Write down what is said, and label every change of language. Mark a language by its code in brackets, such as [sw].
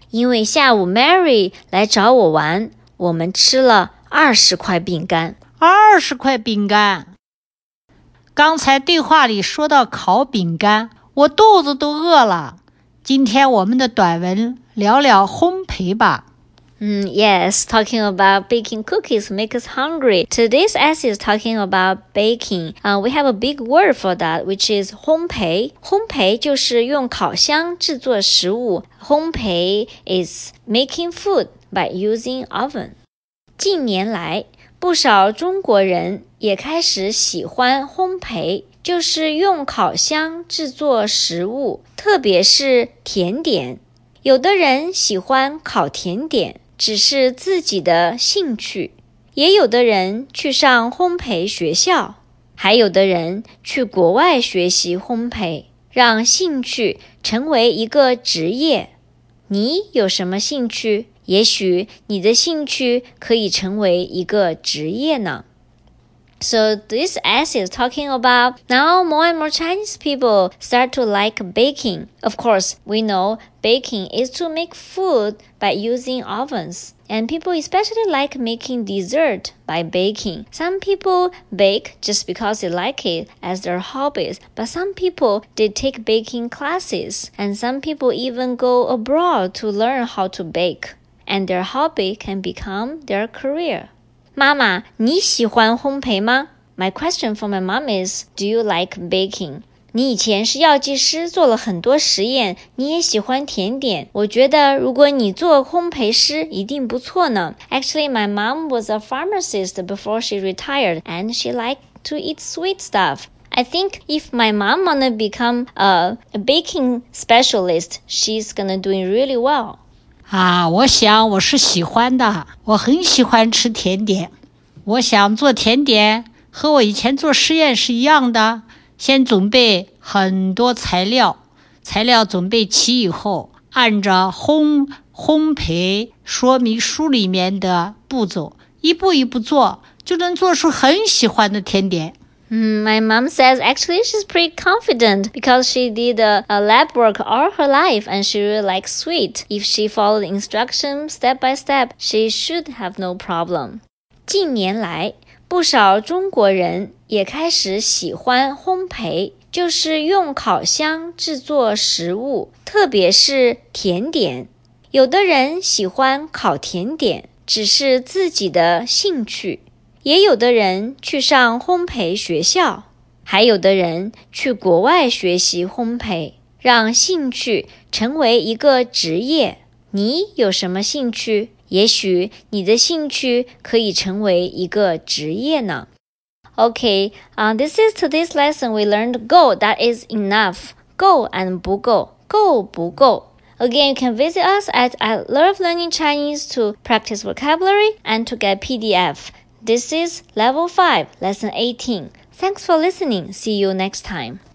[zh] 因为下午 Mary 来找我玩，我们吃了20块饼干。 20块饼干。刚才对话里说到烤饼干，我肚子都饿了。今天我们的短文聊聊烘焙吧。 [en] Yes, talking about baking cookies makes us hungry. Today's essay is talking about baking. We have a big word for that, which is 烘焙。 [zh] 烘焙就是用烤箱制作食物。 [en] 烘焙 is making food by using oven. [zh] 近年来，不少中国人也开始喜欢烘焙，就是用烤箱制作食物，特别是甜点。有的人喜欢烤甜点，只是自己的兴趣，也有的人去上烘焙学校，还有的人去国外学习烘焙，让兴趣成为一个职业。你有什么兴趣？也许你的兴趣可以成为一个职业呢。 [en] So this essay is talking about now more and more Chinese people start to like baking. Of course, we know baking is to make food by using ovens. And people especially like making dessert by baking. Some people bake just because they like it as their hobbies. But some people did take baking classes. And some people even go abroad to learn how to bake. And their hobby can become their career. [zh] 妈妈，你喜欢烘焙吗？ [en] My question for my mom is, do you like baking? [zh] 你以前是药剂师，做了很多实验，你也喜欢甜点。我觉得如果你做烘焙师，一定不错呢。 [en] Actually, my mom was a pharmacist before she retired, and she liked to eat sweet stuff. I think if my mom wanna become a baking specialist, she's gonna doing really well. [zh] 啊，我想我是喜欢的，我很喜欢吃甜点。我想做甜点和我以前做实验是一样的，先准备很多材料，材料准备齐以后，按照烘焙说明书里面的步骤，一步一步做，就能做出很喜欢的甜点。 [en] My mom says actually she's pretty confident because she did a lab work all her life and she really likes sweet. If she followed instructions step by step, she should have no problem. [zh] 近年来，不少中国人也开始喜欢烘焙，就是用烤箱制作食物，特别是甜点。有的人喜欢烤甜点，只是自己的兴趣。也有的人去上烘焙学校，还有的人去国外学习烘焙，让兴趣成为一个职业。你有什么兴趣？也许你的兴趣可以成为一个职业呢。 [en] Okay, this is today's lesson. We learned go, that is enough. Go and 不够 go, 不够 Again, you can visit us at I Love Learning Chinese to practice vocabulary and to get PDF. This is Level 5, Lesson 18. Thanks for listening. See you next time.